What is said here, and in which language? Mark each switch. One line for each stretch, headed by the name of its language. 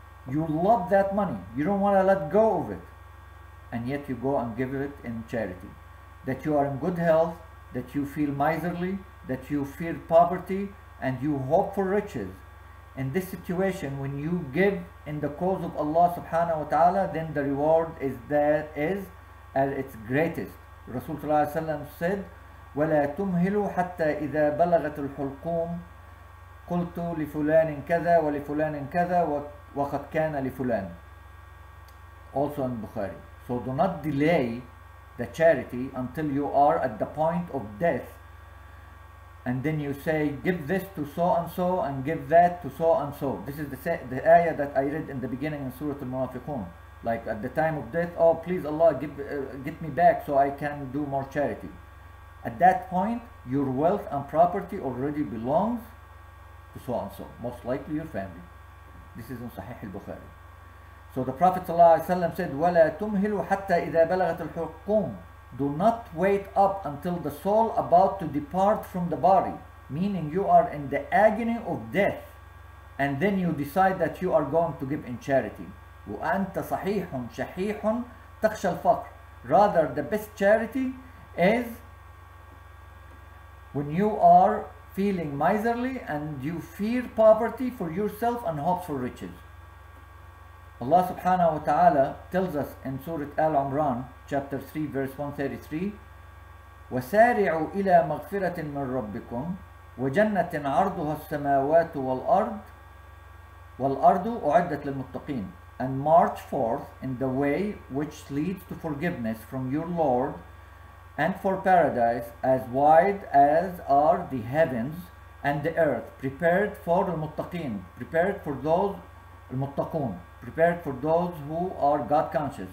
English: You love that money, you don't want to let go of it, and yet you go and give it in charity. That you are in good health, that you feel miserly, that you fear poverty, and you hope for riches. In this situation, when you give in the cause of Allah subhanahu wa ta'ala, then the reward is that is at its greatest. Rasul sallallahu alayhi wa sallam said,
Arabic: وَلَا تُمْهِلُوا حَتَّى إِذَا بَلَغَتُ الْحُلْقُومِ قُلْتُ لِفُلَانٍ كَذَا وَلِفُلَانٍ كَذَا وَقَدْ كَانَ لِفُلَانٍ.
English: Also in Bukhari. So do not delay the charity until you are at the point of death, and then you say, give this to so and so and give that to so and so. This is the ayah that I read in the beginning in Surah Al-Munafiqun. Like at the time of death, oh please Allah, get me back so I can do more charity. At that point, your wealth and property already belongs to so and so, most likely your family. This is in Sahih al-Bukhari. So the Prophet ﷺ said,
Arabic: وَلَا تُمْهِلُوا حَتَّى إِذَا بَلَغَتُ الْحُقُومِ.
English: Do not wait up until the soul about to depart from the body, meaning you are in the agony of death, and then you decide that you are going to give in charity.
Arabic: وَأَنْتَ صَحِيحٌ شَحِيحٌ تَخْشَى الْفَقْرِ.
English: Rather, the best charity is when you are feeling miserly and you fear poverty for yourself and hope for riches. Allah subhanahu wa ta'ala tells us in Surah Al-Umran, chapter 3, verse 133,
Arabic: وَسَارِعُوا إِلَى مَغْفِرَةٍ مِنْ رَبِّكُمْ وَجَنَّةٍ عَرْضُهَا السَّمَاوَاتُ وَالْأَرْضُ وَالْأَرْضُ أُعِدَّتْ لِلْمُتَّقِينَ.
English: And march forth in the way which leads to forgiveness from your Lord and for paradise, as wide as are the heavens and the earth, prepared for the muttaqeen, prepared for those المتقون, prepared for those who are God conscious.